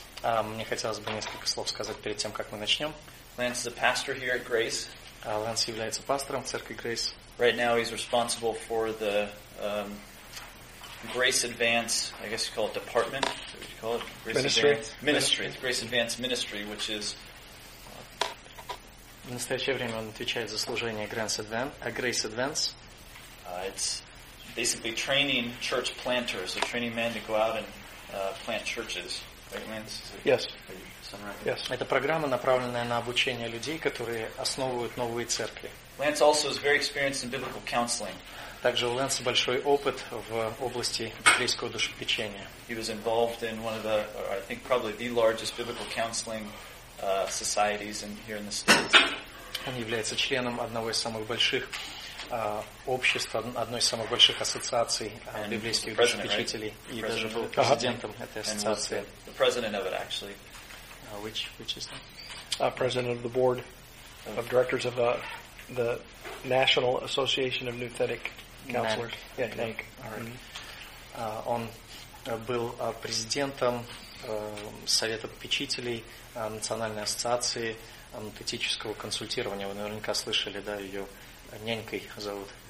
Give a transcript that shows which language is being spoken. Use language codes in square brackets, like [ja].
[ru] Мне хотелось бы несколько слов сказать перед тем, как мы начнем. [en] Lance is a pastor here at Grace. [ru] Lance является пастором церкви Grace. [en] Right now he's responsible for the Grace Advance, I guess you call it department. What would you call it? Grace ministry. Advance. Ministry. Ministry. Grace Advance Ministry, which is. [ru] В настоящее время он отвечает за служение Grace Advance. [en] It's basically training church planters, so training men to go out and plant churches. Right, Lance? Yes. Yes. [ru] Это программа, направленная на обучение людей, которые основывают новые церкви. [en] Lance also is very experienced in biblical counseling. [ru] Также у Лэнса большой опыт в области библейского душепечения. [en] He was involved in one of the, or I think probably the largest biblical counseling societies in here in the States. [ru] Он является членом одного из самых больших обществ, одной из самых больших ассоциаций библейских душепечителей, [en] right? [ru] И даже был президентом этой ассоциации. [en] The president of it, actually. Which is that? President of the board of directors of the National Association of Nuthetic Counselors. Yeah, NAC. All right. [ru] Он был президентом Совета попечителей Национальной ассоциации нутетического консультирования. Вы наверняка слышали, да, ее нянькой зовут.